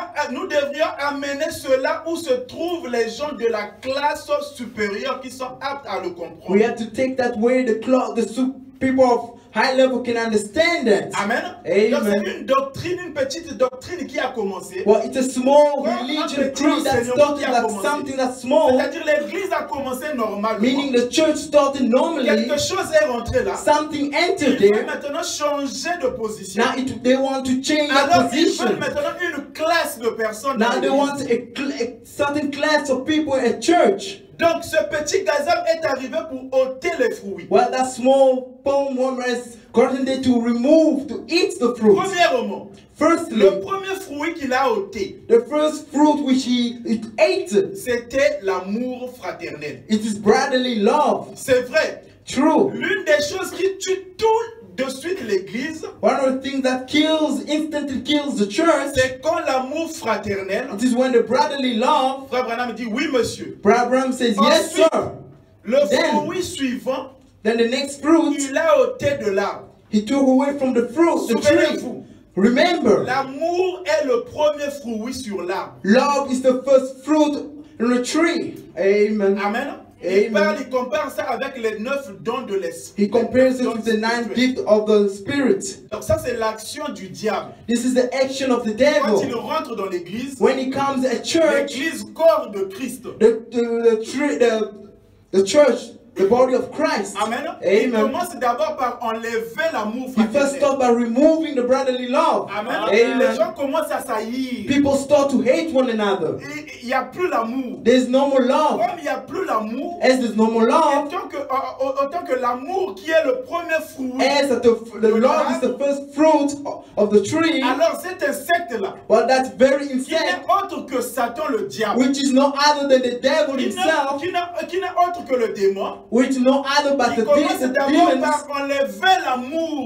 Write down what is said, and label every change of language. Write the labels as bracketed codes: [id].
[fr] Nous devrions amener cela où se trouvent les gens de la classe supérieure qui sont aptes à le comprendre. [en] We have to take that way people of high level can understand it. Amen. Amen. [fr] Donc c'est une doctrine, une petite doctrine qui a commencé. [en] Well, it's a small religion creed that started like something that's small. [fr] C'est-à-dire l'église a commencé normalement. [en] Meaning the church started normally. [fr] Quelque chose est rentré là. [en] Something entered [fr] Ils Ils veulent maintenant changer de position. [en] Now they want to change [fr] Alors, [en] the position. [fr] Alors ils veulent maintenant une classe de personnes. [en] Now they want a certain class of people in a church. [fr] Donc ce petit gazam est arrivé pour ôter les fruits. [en] Well, that small palm worm has gotten there to remove, to eat the fruit. [fr] Premièrement. [en] Firstly. [fr] Le premier fruit qu'il a ôté. [en] The first fruit which it ate. [fr] C'était l'amour fraternel. [en] It is brotherly love. [fr] C'est vrai. [en] True. [fr] L'une des choses qui tue tout de suite l'église. [en] One of the things that instantly kills the church. [fr] C'est quand l'amour fraternel. [en] It is when the brotherly love. [fr] Frère Branham dit oui monsieur. [en] Frère Branham says [fr] Ensuite, [en] yes sir. [fr] Le fruit suivant. [en] Then the next fruit. [fr] Il l'a ôté de l'arbre. [en] He took away from the fruit, the tree. Remember. [fr] L'amour est le premier fruit sur l'arbre. [en] Love is the first fruit in the tree. Amen. Amen. Amen. [fr] Il compare ça avec les neuf dons de l'esprit. [en] He compares it with the nine gifts of the spirit. [fr] Donc ça c'est l'action du diable. [en] This is the action of the devil. [fr] Quand il rentre dans l'église. [en] When he comes at church. [fr] L'église corps de Christ. [en] The church. The body of Christ. Amen. Amen. [fr] Il commence d'abord par enlever l'amour fraternel. [en] He first starts by removing the brotherly love. Amen. Amen. [fr] Les gens commencent à s'haïr. [en] People start to hate one another. [fr] Il y a plus l'amour. [en] There's no more love. [fr] Comme il y a plus l'amour. [en] As there's no more love. [fr] Autant que l'amour qui est le premier fruit. [en] As the love is the first fruit of the tree. [fr] Alors cet insecte là. [en] Well, that very insect. [fr] Qui n'est autre que Satan le diable. [en] Which is no other than the devil himself. [fr] Qui n'est autre que le démon. [en] Which no other but the demons.